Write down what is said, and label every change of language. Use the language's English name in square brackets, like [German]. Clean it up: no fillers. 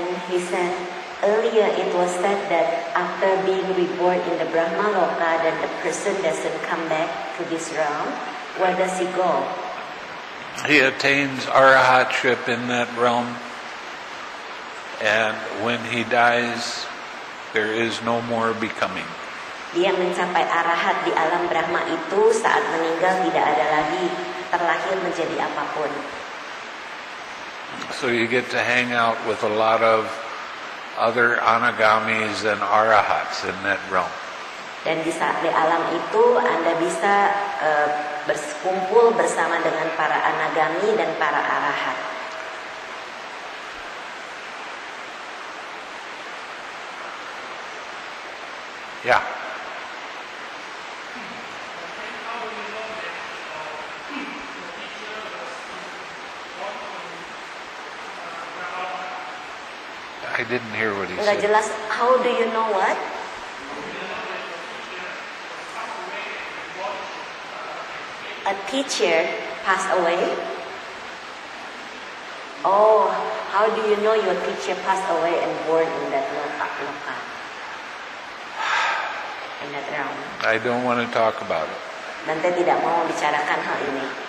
[English] He said, earlier it was said that after being reborn in the Brahma Loka, that the person doesn't come back to this realm. Where does he go? He attains arahatship in that realm. And when he dies, there is no more becoming. [Indonesian] Dia mencapai arahat di alam Brahma itu, saat meninggal tidak ada lagi terlahir menjadi apapun. [English] So you get to hang out with a lot of other anagamis and arahats in that realm. [Indonesian] Dan di saat di alam itu Anda bisa berkumpul bersama dengan para anagami dan para arahat. [English] Yeah. I didn't hear what he said. [Indonesian] Enggak jelas. [English] How do you know what? A teacher passed away. Oh, how do you know your teacher passed away and born in that loka? In that realm. I don't want to talk about it. [Indonesian] Nanti tidak mau membicarakan hal ini.